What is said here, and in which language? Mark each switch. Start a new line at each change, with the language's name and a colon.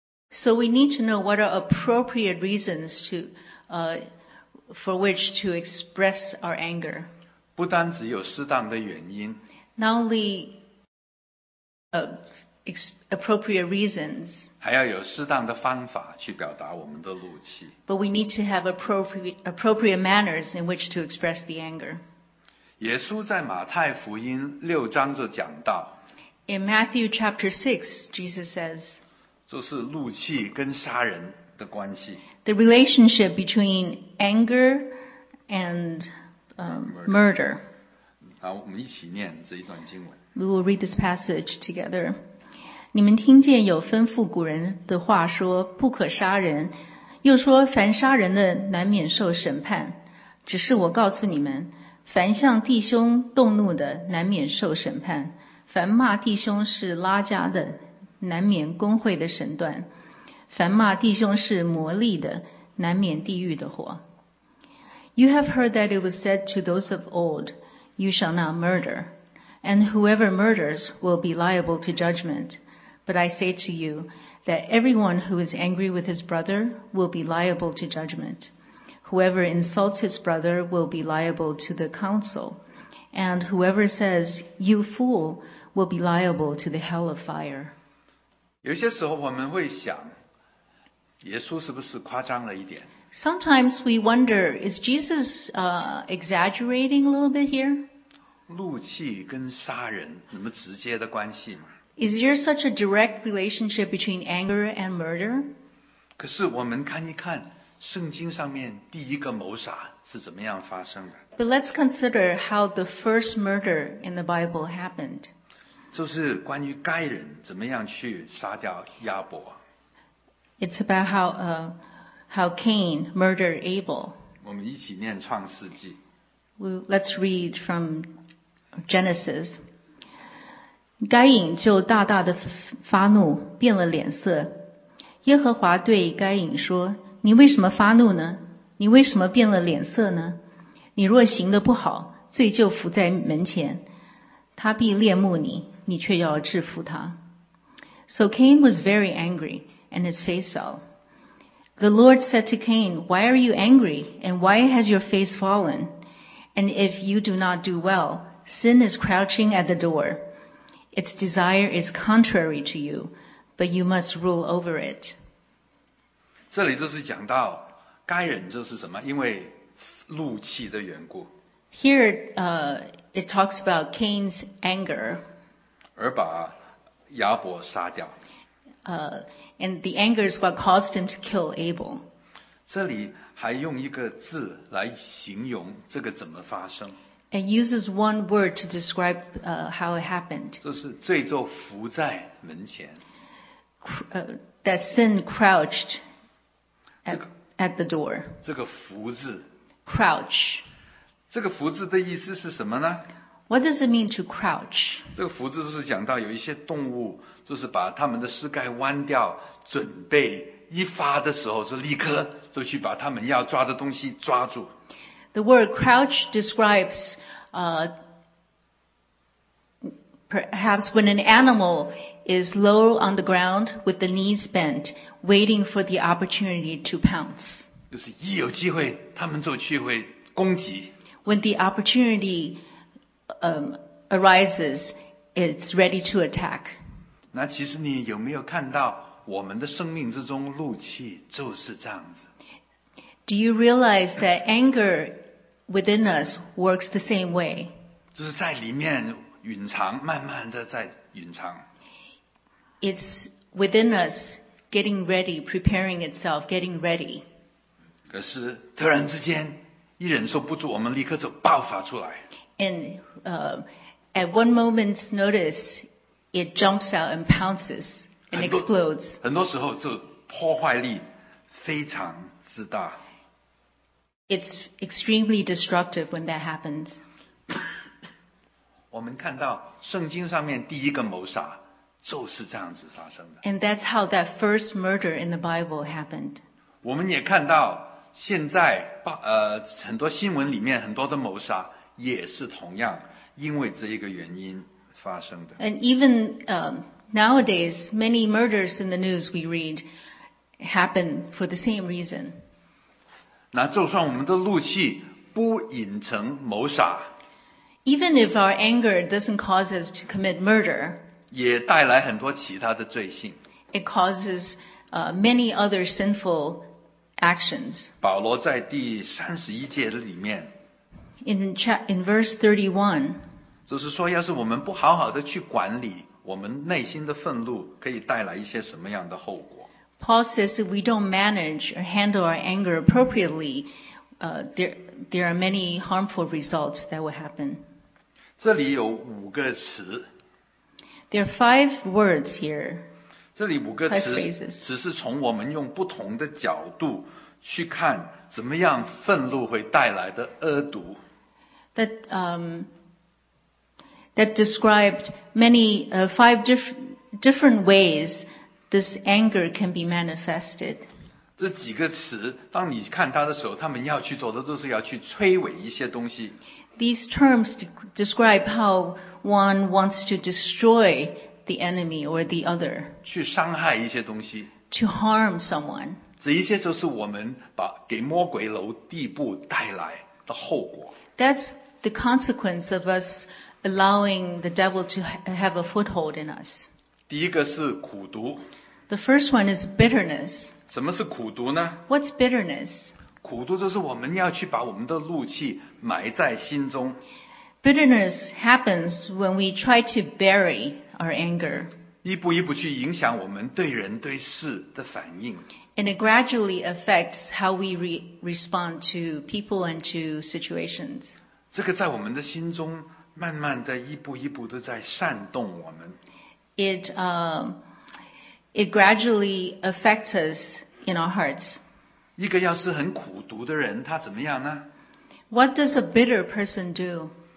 English: So we need to know what are appropriate reasons for which to express our anger.
Chinese: 不单只有适当的原因。
English: Not only appropriate reasons,
Chinese: 还要有适当的方法去表达我们的怒气。
English: But we need to have appropriate manners in which to express the anger.
Chinese: 耶稣在马太福音六章就讲到。
English: In Matthew chapter 6, Jesus says,
Chinese: 就是怒气跟杀人的关系。
English: The relationship between anger and murder.
Chinese: 好，我们一起念这一段经文。
English: We will read this passage together.
Chinese: 你们听见有吩咐古人的话说，不可杀人，又说凡杀人的难免受审判。只是我告诉你们，凡向弟兄动怒的难免受审判，凡骂弟兄是拉加的难免公会的审断，凡骂弟兄是魔力的难免地狱的火。
English: You have heard that it was said to those of old,You shall not murder, and whoever murders will be liable to judgment. But I say to you that everyone who is angry with his brother will be liable to judgment. Whoever insults his brother will be liable to the council, and whoever says, you fool, will be liable to the hell of fire.
Chinese: 有些时候我们会想，耶稣是不是夸张了一点？
English: Sometimes we wonder, is Jesus exaggerating a little bit here?
Chinese: 怒气跟杀人那么直接的关系吗？
English: Is there such a direct relationship between anger and murder?
Chinese: 可是我们看一看圣经上面第一个谋杀是怎么样发生的。
English: But let's consider how the first murder in the Bible happened.
Chinese: 就是关于该人怎么样去杀掉亚伯。
English: It's about how Cain murdered Abel.
Chinese: 我们一起念创世纪。
English: Let's read from Genesis.
Chinese: 该隐就大大的发怒，变了脸色。耶和华对该隐说：“ 你为什么发怒呢？你为什么变了脸色呢？你若行得不好，罪就伏在门前，他必恋慕你，你却要制服他。
English: So Cain was very angry, and his face fell. The Lord said to Cain, Why are you angry, and why has your face fallen? And if you do not do well, sin is crouching at the door. Its desire is contrary to you, but you must rule over it.
Chinese: 这里就是讲到该人就是什么，因为怒气的缘故。
English: Here, it talks about Cain's anger.
Chinese: 而把亚伯杀掉。
English: And the anger is what caused him to kill Abel.
Chinese: 这里还用一个字来形容这个怎么发生。
English: It uses one word to describe how it happened.
Chinese: 就是罪就伏在门前。
English: That sin crouched at the door.
Chinese: 这个伏字。
English: Crouch.
Chinese: 这个伏字的意思是什么呢？
English: What does it mean to crouch?
Chinese: 这个伏字是讲到有一些动物就是把它们的膝盖弯掉，准备一发的时候是立刻就去把它们要抓的东西抓住。
English: The word crouch describes perhaps when an animal is low on the ground with the knees bent, waiting for the opportunity to pounce.
Chinese: 就是一有机会它们就去会攻击。
English: When the opportunity arises, it's ready to attack.
Chinese: 那其实你有没有看到我们的生命之中怒气就是这样子？
English: Do you realize that anger within us works the same way?
Chinese: 就是在里面隐藏，慢慢的在隐藏。
English: It's within us getting ready, preparing itself, getting ready.
Chinese: 可是突然之间一忍受不住，我们立刻就爆发出来。
English: And at one moment's notice, it jumps out and pounces and explodes.
Chinese: 很多时候，这破坏力非常之大。
English: It's extremely destructive when that happens.
Chinese: 我们看到圣经上面第一个谋杀就是这样子发生的。
English: And that's how that first murder in the Bible happened.
Chinese: 我们也看到。现在很多新闻里面很多的谋杀也是同样因为这一个原因发生的。
English: And even nowadays, many murders in the news we read happen for the same reason.
Chinese: 那就算我们的怒气不引成谋杀，
English: Even if our anger doesn't cause us to commit murder,
Chinese: 也带来很多其他的罪行。
English: It causes many other sinful actions.
Chinese: 保罗在第三十一节里面
English: in verse 31,
Chinese: 就是说要是我们不好好的去管理我们内心的愤怒可以带来一些什么样的后果。
English: Paul says if we don't manage or handle our anger appropriately, there are many harmful results that will happen.
Chinese: 这里有五个词。
English: There are five words here.
Chinese: 这里五个词只是从我们用不同的角度去看怎么样愤怒会带来的恶毒。
English: That described many five different ways this anger can be manifested.
Chinese: 这几个词当你看它的时候他们要去做的就是要去摧毁一些东西。
English: These terms describe how one wants to destroy the enemy or the other,
Chinese: 去伤害一些东西，
English: to harm someone.
Chinese: 这一些就是我们把给魔鬼留地步带来的后果。
English: That's the consequence of us allowing the devil to have a foothold in us.
Chinese: 第一个是苦毒。
English: The first one is bitterness.
Chinese: 什么是苦毒呢？
English: What's bitterness?
Chinese: 苦毒就是我们要去把我们的怒气埋在心中。
English: Bitterness happens when we try to bury our anger.
Chinese: 一步一步去影响我们对人对事的反应。
English: And it gradually affects how we respond to people and to situations.
Chinese: 这个在我们的心中慢慢的一步一步的在煽动我们。
English: It gradually affects us in our hearts.
Chinese: 一个要是很苦毒的人他怎么样呢？
English: What does a bitter person do?